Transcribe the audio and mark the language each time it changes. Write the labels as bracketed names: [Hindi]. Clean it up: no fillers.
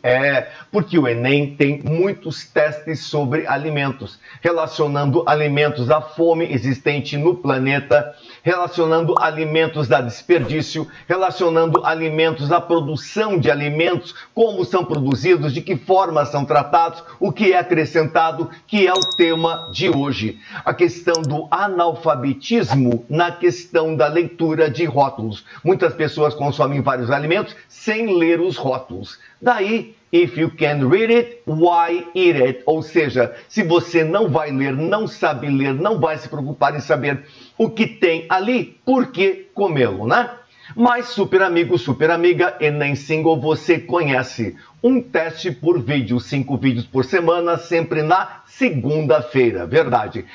[Portuguese] É, porque o Enem tem muitos testes sobre alimentos, relacionando alimentos à fome existente no planeta, relacionando alimentos a desperdício, relacionando alimentos à produção de alimentos, como são produzidos, de que forma são tratados, o que é acrescentado, que é o tema de hoje. A questão do analfabetismo na questão da leitura de rótulos. Muitas pessoas consomem vários alimentos sem ler os rótulos. [English] Daí, if you can read it, why eat it? [Portuguese] Ou seja, se você não vai ler, não sabe ler, não vai se preocupar em saber o que tem ali, por que comê-lo, né? Mas, super amigo, super amiga, Enem Single, você conhece. Um teste por vídeo, 5 vídeos por semana, sempre na segunda-feira, verdade.